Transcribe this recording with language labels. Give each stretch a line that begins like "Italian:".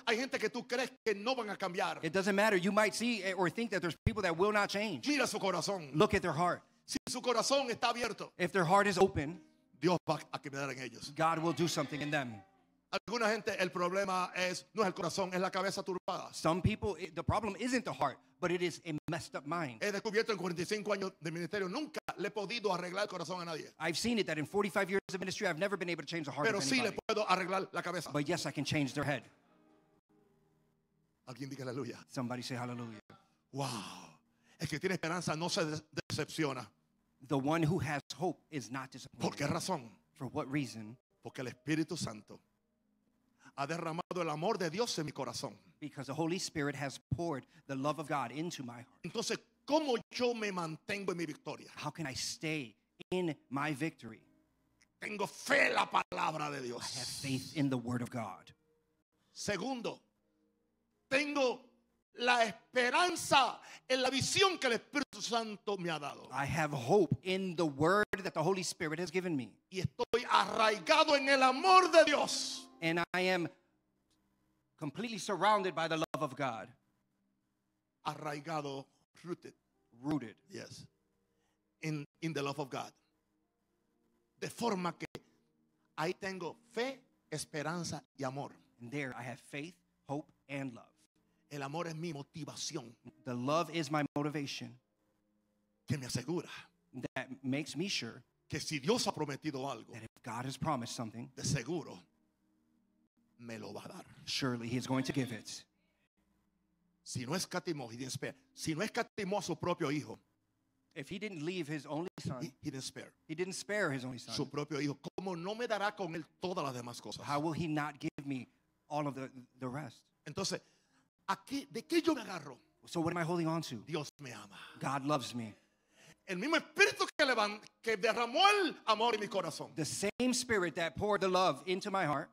Spanish: Hay gente que tú crees que no van a cambiar.
English: It doesn't matter. You might see or think that there's people that will not change.
Spanish: Mira su corazón.
English: Look at their heart.
Spanish: Si su corazón está abierto,
English: if their heart is open,
Spanish: Dios va a cambiar en ellos.
English: God will do something in them.
Spanish: Alguna gente, el problema es, no es el corazón, es la cabeza turbada.
English: Some people, the problem isn't the heart, but it is a messed up mind.
Spanish: He descubierto en 45 años de ministerio, nunca le he podido arreglar el corazón a nadie.
English: I've seen it that in 45 years of ministry, I've never been able to change the heart
Spanish: pero
English: of
Spanish: sí
English: anybody.
Spanish: Le puedo arreglar la cabeza.
English: But yes, I can change their head.
Spanish: Alguien diga aleluya.
English: Somebody say hallelujah.
Spanish: Wow. El que tiene esperanza no se decepciona.
English: The one who has hope is not disappointed.
Spanish: ¿Por qué razón?
English: For what reason?
Spanish: Porque el Espíritu Santo ha derramado el amor de Dios en mi corazón.
English: Because the Holy Spirit has poured the love of God into my heart.
Spanish: Entonces, ¿cómo yo me mantengo en mi victoria?
English: How can I stay in my victory?
Spanish: Tengo fe en la palabra de Dios.
English: I have faith in the word of God.
Spanish: Segundo, tengo la esperanza en la visión que el Espíritu Santo me ha dado.
English: I have hope in the word that the Holy Spirit has given me.
Spanish: Y estoy arraigado en el amor de Dios.
English: And I am completely surrounded by the love of God.
Spanish: Arraigado, rooted.
English: Rooted. Yes. In the love of God.
Spanish: De forma que ahí tengo fe, esperanza y amor.
English: And there I have faith, hope, and love.
Spanish: El amor es mi motivación.
English: The love is my motivation.
Spanish: Que me asegura.
English: That makes me sure.
Spanish: Que si Dios ha prometido algo.
English: That if God has promised something.
Spanish: De seguro. Me lo va a dar.
English: Surely he is going to give it.
Spanish: Si no escatimó,
English: he didn't spare.
Spanish: Si no escatimó a su propio hijo.
English: If he didn't leave his only son. He didn't spare. He didn't spare his only son.
Spanish: Su propio hijo. ¿Cómo no me dará con él todas las demás cosas?
English: How will he not give me all of the rest?
Spanish: Entonces, ¿a qué, de qué yo me agarro?
English: So what am I holding on to?
Spanish: Dios me ama.
English: God loves me.
Spanish: El mismo espíritu que derramó el amor en mi corazón.
English: The same spirit that poured the love into my heart.